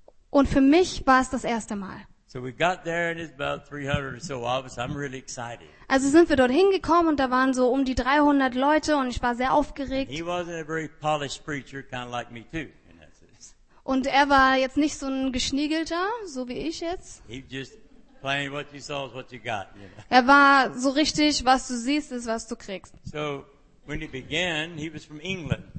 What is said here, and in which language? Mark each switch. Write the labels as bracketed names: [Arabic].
[German] Und für mich war es das erste Mal. [English] So we got there and it's about 300 or so of us. I'm really excited. [German] Also sind wir dort hingekommen und da waren so um die 300 Leute und ich war sehr aufgeregt. [English] He wasn't a very polished preacher, kind of like me too. [German] Und er war jetzt nicht so ein Geschniegelter, so wie ich jetzt. [English] He just playing what you saw is what you got, you know. [German] Er war so richtig, was du siehst, ist was du kriegst. [English] So when he began, he was from England.